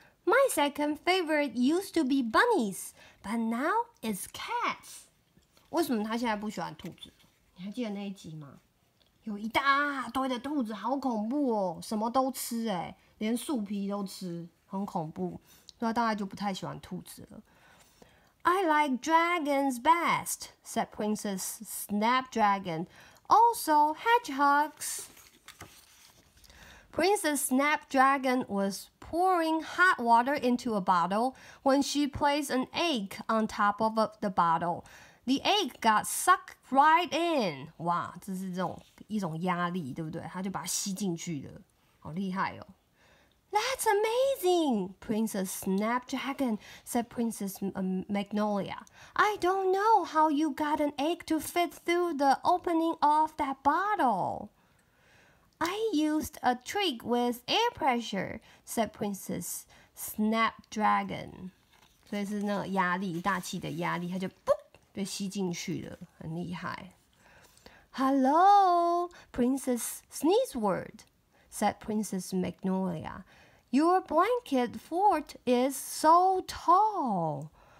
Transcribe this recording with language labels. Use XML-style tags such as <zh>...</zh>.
<en>My second favorite used to be bunnies, but now it's cats.</en> <zh>为什么他现在不喜欢兔子？你还记得那一集吗？有一大堆的兔子，好恐怖哦！什么都吃，哎，连树皮都吃，很恐怖。所以他大概就不太喜欢兔子了。</zh> <en>I like dragons best, said Princess Snapdragon. Also hedgehogs. Princess Snapdragon was. Pouring hot water into a bottle when she placed an egg on top of the bottle. The egg got sucked right in.</en> <zh>哇，这是一种压力，对不对？他就把它吸进去了，好厉害哦。</zh> <en>That's amazing, Princess Snapdragon, said Princess Magnolia. I don't know how you got an egg to fit through the opening of that bottle. I used a trick with air pressure, said Princess Snapdragon.</en> <zh>所以是那个压力，大气的压力，它就嘣被吸进去了，很厉害。</zh> <en>Hello, Princess Sneezeward, said Princess Magnolia. Your blanket fort is so tall.</en>